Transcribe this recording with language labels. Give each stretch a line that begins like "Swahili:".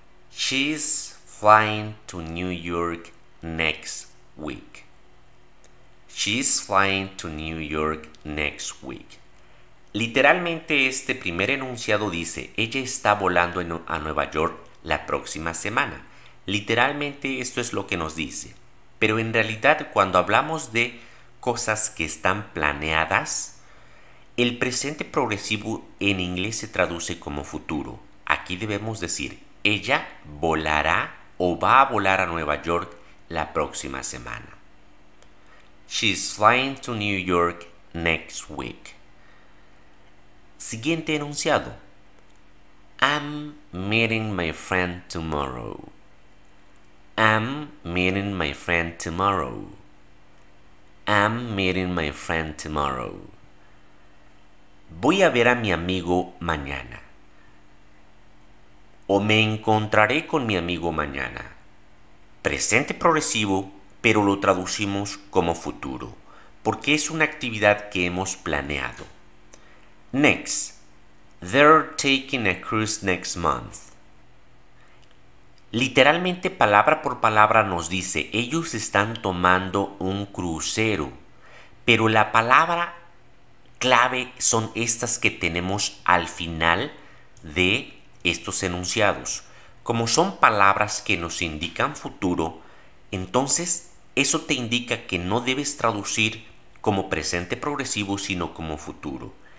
English: She's flying to New York next week. She's flying to New York next week.
Spanish: Literalmente este primer enunciado dice, ella está volando a Nueva York la próxima semana. Literalmente esto es lo que nos dice. Pero en realidad cuando hablamos de cosas que están planeadas, el presente progresivo en inglés se traduce como futuro. Aquí debemos decir, ella volará o va a volar a Nueva York la próxima semana.
English: She's flying to New York next week.
Spanish: Siguiente enunciado.
English: I'm meeting my friend tomorrow. I'm meeting my friend tomorrow. I'm meeting my friend tomorrow.
Spanish: Voy a ver a mi amigo mañana. O me encontraré con mi amigo mañana. Presente progresivo, pero lo traducimos como futuro, porque es una actividad que hemos planeado.
English: Next. They're taking a cruise next month.
Spanish: Literalmente, palabra por palabra, nos dice, ellos están tomando un crucero. Pero la palabra clave son estas que tenemos al final de estos enunciados. Como son palabras que nos indican futuro, entonces eso te indica que no debes traducir como presente progresivo, sino como futuro.